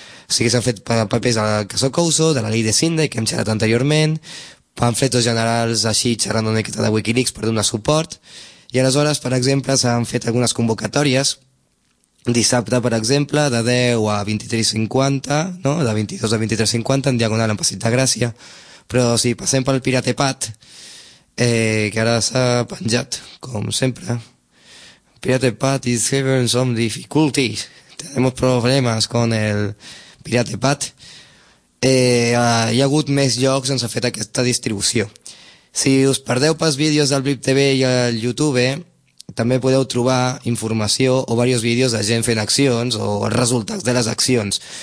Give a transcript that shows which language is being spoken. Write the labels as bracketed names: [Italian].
[Catalan] O sigui, s'han fet papers del caso Couso, de la llei de Sinde, que hem xerrat anteriorment, pamfletos generals així xerrant una miqueta de Wikileaks per donar suport, i aleshores, per exemple, s'han fet algunes convocatòries, dissabte, per exemple, de 10 a 23.50, no? De 22 a 23.50, en diagonal, en Passeig de Gràcia, però o sigui, passem pel PirateBat, que ara s'ha penjat, com sempre. [English] PirateBat is having some difficulties. [Spanish] Tenemos problemas con el... [Catalan] PirateBat, hi ha hagut més llocs on s'ha fet aquesta distribució. Si us perdeu pels vídeos del Blip TV i el YouTube, també podeu trobar informació o diversos vídeos de gent fent accions o els resultats de les accions.